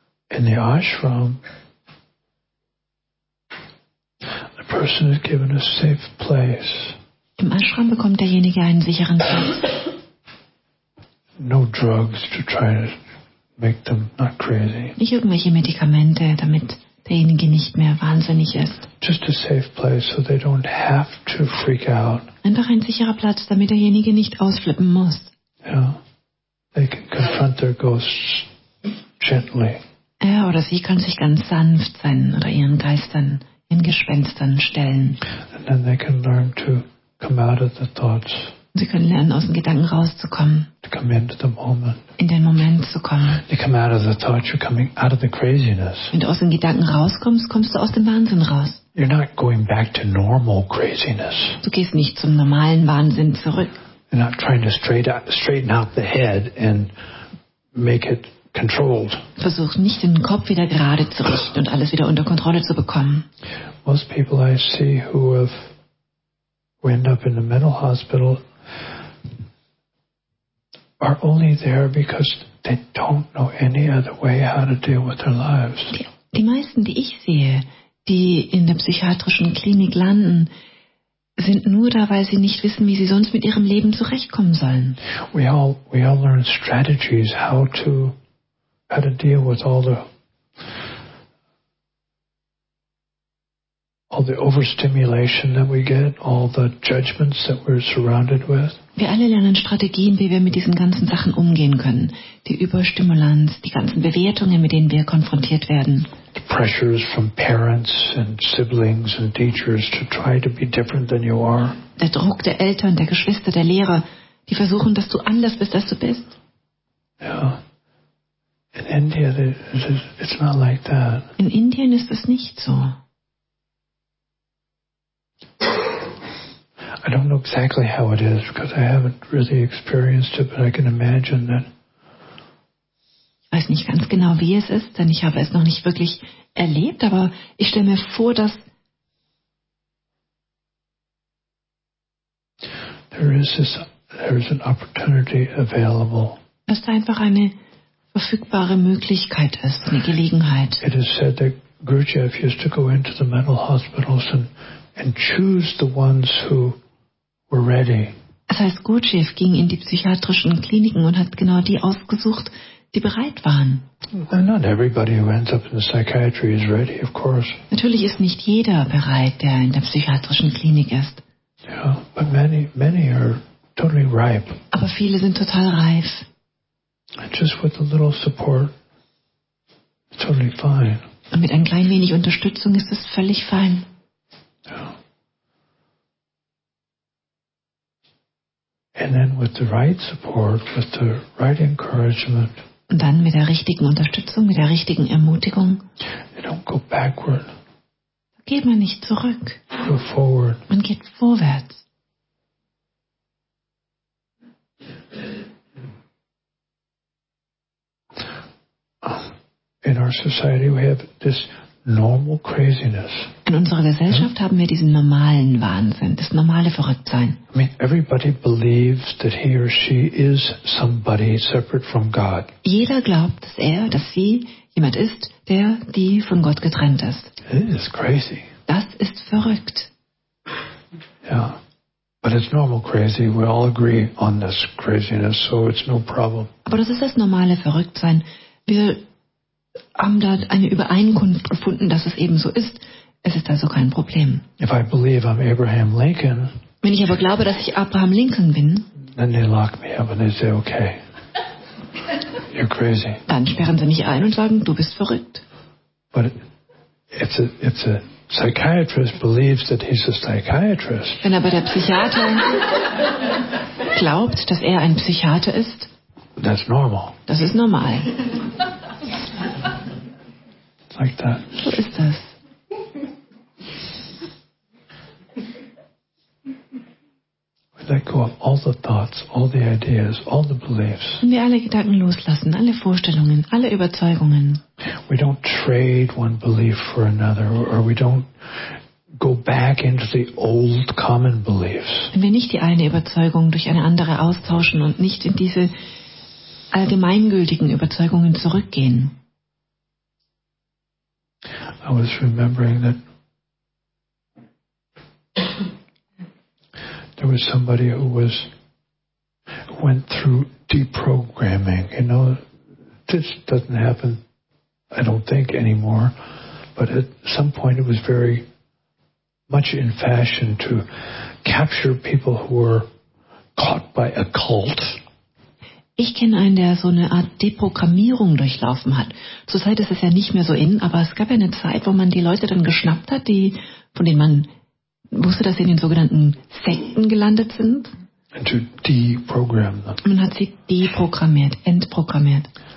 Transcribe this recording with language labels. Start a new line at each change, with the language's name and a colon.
English: In the ashram, the person is given a safe place.
German: Im Ashram bekommt derjenige einen sicheren Platz.
English: No drugs to try to make them not crazy.
German: Nicht irgendwelche Medikamente, damit derjenige nicht mehr wahnsinnig ist.
English: Just a safe place, so they don't have to freak out.
German: Einfach ein sicherer Platz, damit derjenige nicht ausflippen muss.
English: Yeah. They can confront their ghosts gently.
German: Er oder sie kann sich ganz sanft sein oder ihren Geistern, ihren Gespenstern stellen.
English: And then they can learn to come out of the thoughts.
German: Sie können lernen, aus den Gedanken rauszukommen.
English: To come into the moment.
German: In den Moment zu kommen.
English: They come out of the thoughts, you're coming out of the craziness.
German: Wenn du aus den Gedanken rauskommst, kommst du aus dem Wahnsinn raus.
English: You're not going back to normal craziness.
German: Du gehst nicht zum normalen Wahnsinn zurück.
English: You're not trying to straighten out the head and make it controlled.
German: Versuch nicht, den Kopf wieder gerade zu richten und alles wieder unter Kontrolle zu bekommen.
English: Most people I see who end up in a mental hospital are only there because they don't know any other way how to deal with their lives.
German: Die meisten, die ich sehe, die in der psychiatrischen Klinik landen, sind nur da, weil sie nicht wissen, wie sie sonst mit ihrem Leben zurechtkommen sollen.
English: We all learn strategies how to deal with all the overstimulation that we get, all the judgments that we're surrounded with.
German: Wir alle lernen Strategien, wie wir mit diesen ganzen Sachen umgehen können. Die Überstimulanz, die ganzen Bewertungen, mit denen wir konfrontiert werden.
English: The pressures from parents and siblings and teachers to try to be different than you are.
German: Der Druck der Eltern, der Geschwister, der Lehrer, die versuchen, dass du anders bist, als du bist.
English: Ja. Yeah. In India, it's not like that.
German: In Indien ist es nicht so.
English: I don't know exactly how it is because I haven't really experienced it, but I can imagine that.
German: Ich weiß nicht ganz genau, wie es ist, denn ich habe es noch nicht wirklich erlebt, aber ich stelle mir vor, dass
English: there is an opportunity available.
German: Es ist einfach eine verfügbare Möglichkeit ist, eine Gelegenheit.
English: It is said that Gurdjieff used to go into the mental hospitals and choose the ones who were ready.
German: Das heißt, Gurdjieff ging in die psychiatrischen Kliniken und hat genau die ausgesucht, die bereit waren.
English: And not everybody who ends up in the psychiatry is ready, of course.
German: Natürlich ist nicht jeder bereit, der in der psychiatrischen Klinik ist.
English: Yeah, but many are totally ripe.
German: Aber viele sind total reif.
English: And just with a little support, it's totally fine.
German: Und mit ein klein wenig Unterstützung ist es völlig fein.
English: Yeah. And then with the right support, with the right encouragement.
German: Und dann mit der richtigen Unterstützung, mit der richtigen Ermutigung.
English: You don't go backward.
German: Da geht man nicht zurück.
English: Go forward.
German: Man geht vorwärts.
English: In our society we have this normal craziness.
German: In unserer Gesellschaft haben wir diesen normalen Wahnsinn, das normale Verrücktsein.
English: I mean, everybody believes that he or she is somebody separate from God.
German: Jeder glaubt, dass er, dass sie jemand ist, der die von Gott getrennt ist.
English: It is crazy.
German: Das ist verrückt.
English: Yeah. But it's normal crazy. We all agree on this craziness, so it's no problem.
German: Aber das ist das normale Verrücktsein. Wir haben da eine Übereinkunft gefunden, dass es eben so ist. Es ist also kein Problem.
English: If I believe I'm Abraham Lincoln,
German: wenn ich aber glaube, dass ich Abraham Lincoln bin,
English: then they lock me up and they say, okay, you're crazy.
German: Dann sperren sie mich ein und sagen, du bist verrückt.
English: But it's a psychiatrist believes that he's a psychiatrist.
German: Wenn aber der Psychiater glaubt, dass er ein Psychiater ist,
English: that's normal.
German: Das ist normal.
English: Like that.
German: So ist das.
English: We let go of all the thoughts, all the ideas, all the beliefs.
German: Und wir alle Gedanken loslassen, alle Vorstellungen, alle Überzeugungen.
English: We don't trade one belief for another, or we don't go back into the old common beliefs.
German: Wenn wir nicht die eine Überzeugung durch eine andere austauschen und nicht in diese allgemeingültigen Überzeugungen zurückgehen.
English: I was remembering that there was somebody who was went through deprogramming. You know, this doesn't happen, I don't think, anymore. But at some point, it was very much in fashion to capture people who were caught by a cult.
German: Ich kenne einen, der so eine Art Deprogrammierung durchlaufen hat. Zurzeit ist es ja nicht mehr so in, aber es gab ja eine Zeit, wo man die Leute dann geschnappt hat, die, von denen man wusste, dass sie in den sogenannten Sekten gelandet sind.
English: And to deprogram them.
German: Man hat sie deprogrammiert, entprogrammiert.